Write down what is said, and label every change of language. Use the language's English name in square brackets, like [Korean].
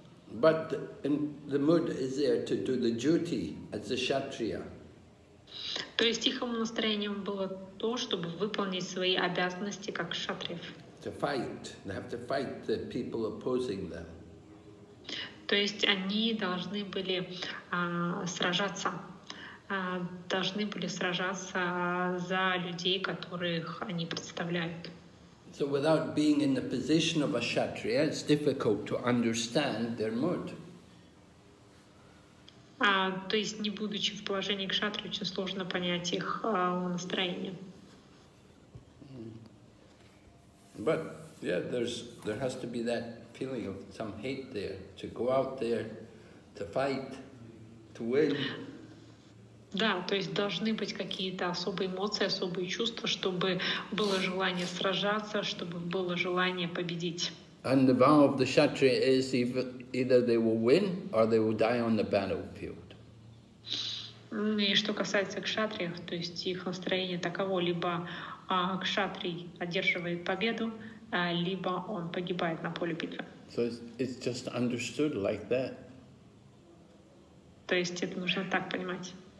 [English] But the mood is there to do the duty as a kshatriya. [Russian] То есть их настроением было то, чтобы выполнить свои обязанности как кшатриев. [English] To fight, they have to fight the people opposing them. [Russian] То есть они должны были сражаться, должны были сражаться за людей, которых они представляют. [English] So without being in the position of a kshatriya, it's difficult to understand their mood. [Russian] То есть не будучи в положении кшатри, очень сложно понять их настроение. [English] But yeah, there has to be that feeling of some hate there to go out there, to fight, to win. [Russian] Да, то есть должны быть какие-то особые эмоции, особые чувства, чтобы было желание сражаться, чтобы было желание победить. [English] And the vow of the kshatriya is either they will win or they will die on the battlefield. [Russian] И что касается кшатриев, то есть их настроение таково, либо кшатрий одерживает победу, либо он погибает на поле битвы. [English] So it's just understood like that. [Russian] То есть это нужно так понимать.